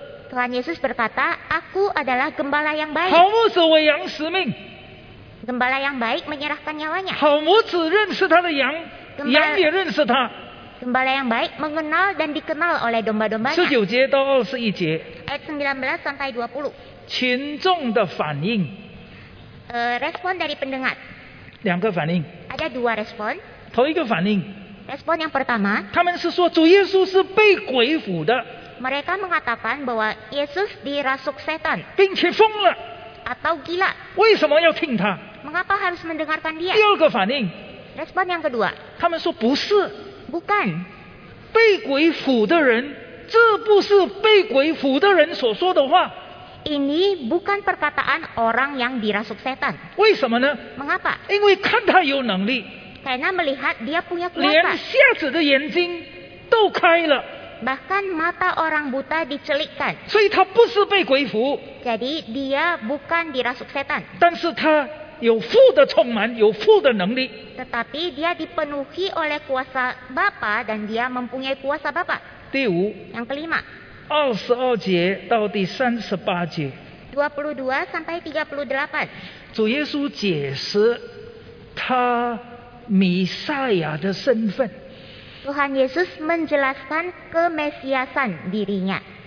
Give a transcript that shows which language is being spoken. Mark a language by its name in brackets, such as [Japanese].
[Indonesian] Tuhan Yesus berkata, aku adalah gembala yang baik. [Chinese] 好牧者为羊使命. [Indonesian] Gembala yang baik menyerahkan nyawanya. [Chinese] 好牧者认识他的羊, gembala, [Indonesian] gembala yang baik mengenal dan dikenal oleh domba-dombanya. [Chinese] 19节到21节. [Indonesian] Ayat 19-20. [Chinese] 群众的反应. [Indonesian] Respon dari pendengar. [Chinese] 两个反应. [Indonesian] Ada dua respon. [Chinese] 头一个反应. [Indonesian] Respon yang pertama. [Chinese] 他们是说, 主耶稣是被鬼附的. [Indonesian] Mereka mengatakan bahwa Yesus dirasuk setan. [Chinese] 并且疯了. [Indonesian] Atau gila. [Chinese] 为什么要听他? [Indonesian] Mengapa harus mendengarkan dia? [Chinese] 第二个反应. [Indonesian] Respon yang kedua. [Chinese] 他们说不是. [Indonesian] Bukan. [Chinese] 被鬼附的人, 这不是被鬼附的人所说的话. [Indonesian] Ini bukan perkataan orang yang dirasuk setan. [Chinese] 为什么呢? [Indonesian] Mengapa? [Chinese] 因为看他有能力. [Indonesian] Karena melihat dia punya kuasa. [Chinese] 连瞎子的眼睛都开了. [Indonesian] Bahkan mata orang buta dicelikkan. [Chinese] 所以他不是被鬼附. [Indonesian] Jadi dia bukan dirasuk setan. [Chinese] 但是他有父的充满, 有父的能力. [Indonesian] Tetapi dia dipenuhi oleh kuasa Bapa dan dia mempunyai kuasa Bapa. [Chinese] 第五. [Indonesian] Yang kelima. [Chinese] 22节到38节. [Indonesian] 22-38. [Chinese] 主耶稣解释他 弥赛亚的身份. [Indonesian] Tuhan Yesus menjelaskan kemesiasan dirinya.